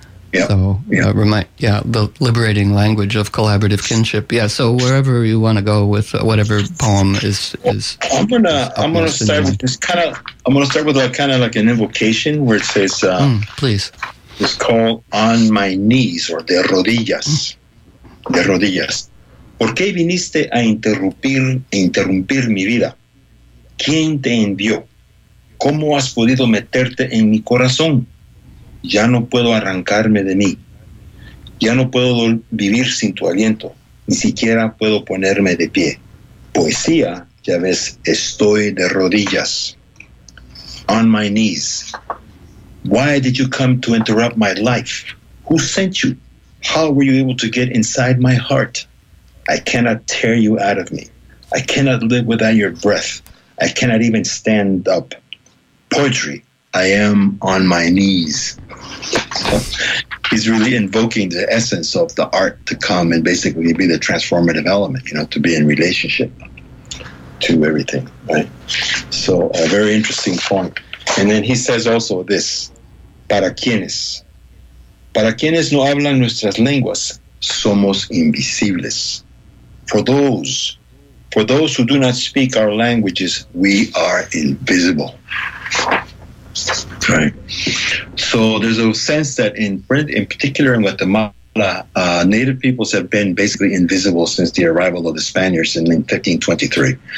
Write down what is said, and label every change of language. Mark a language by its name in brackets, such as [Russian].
[English] The liberating language of collaborative kinship. Yeah. So wherever you want to go with whatever poem is. I'm gonna start with an invocation where it says, "Please." It's called "On My Knees" or "De Rodillas." [Spanish] De Rodillas. ¿Por qué viniste a interrumpir mi vida? ¿Quién te envió? ¿Cómo has podido meterte en mi corazón? Ya no puedo arrancarme de mí. Ya no puedo vivir sin tu aliento. Ni siquiera puedo ponerme de pie. Poesía, ya ves, estoy de rodillas. [English] On my knees. Why did you come to interrupt my life? Who sent you? How were you able to get inside my heart? I cannot tear you out of me. I cannot live without your breath. I cannot even stand up. Poetry, I am on my knees. He's really invoking the essence of the art to come and basically be the transformative element, you know, to be in relationship to everything, right? So a very interesting point. And then he says also this, [Spanish] para quienes. Para quienes no hablan nuestras lenguas, somos invisibles. [English] For those who do not speak our languages, we are invisible. Right. So there's a sense that in particular in Guatemala, native peoples have been basically invisible since the arrival of the Spaniards in 1523.